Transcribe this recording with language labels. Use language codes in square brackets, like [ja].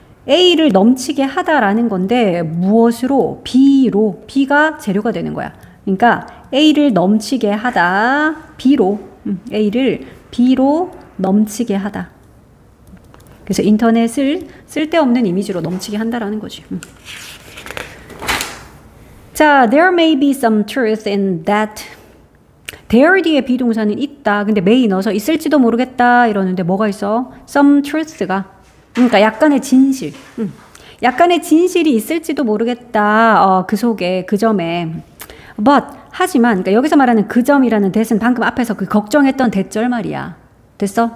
[ko] A를 넘치게 하다라는 건데 무엇으로? B로. B가 재료가 되는 거야. 그러니까 A를 넘치게 하다. B로. A를 B로 넘치게 하다. 그래서 인터넷을 쓸데없는 이미지로 넘치게 한다라는 거지. [en] 자, there may be some truth in that. [ko] There 뒤에 비동사는 있다. 근데 may 넣어서 있을지도 모르겠다 이러는데 뭐가 있어? [en] Some truth [ko] 가. 그러니까 약간의 진실. 약간의 진실이 있을지도 모르겠다. 그 속에, 그 점에. But, 하지만, 그러니까 여기서 말하는 그 점이라는 that은 방금 앞에서 그 걱정했던 대절 말이야. 됐어?